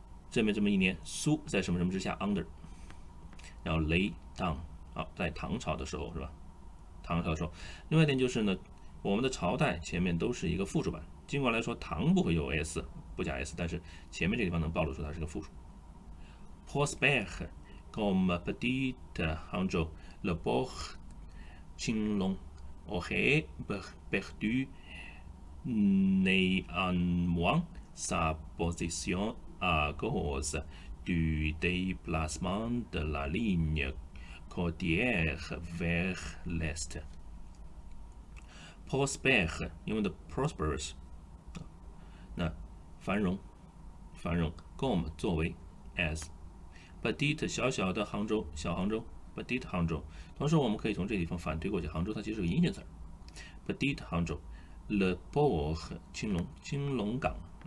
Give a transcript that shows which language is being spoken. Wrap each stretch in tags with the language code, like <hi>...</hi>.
<zh>这么一年，苏在什么什么之下，under，然后雷当，在唐朝的时候是吧？唐朝的时候，另外一点就是呢，我们的朝代前面都是一个复数版，尽管来说唐不会有 s，不加 s，但是前面这个地方能暴露出它是个复数。</zh> <fr>Prospère comme petit Hangzhou, le bourg Qinglong aurait perdu néanmoins sa position à cause du déplacement de la ligne côtière vers l'est.</fr> <zh>Prospère, 英文的 prosperous，那繁荣，comme 作为 as petite 小小的杭州，小杭州 petite 杭州。同时，我们可以从这地方反推过去，杭州它其实是个阴性词 petite 杭州，</zh> <fr>le port</fr> <zh>青龙港。</zh>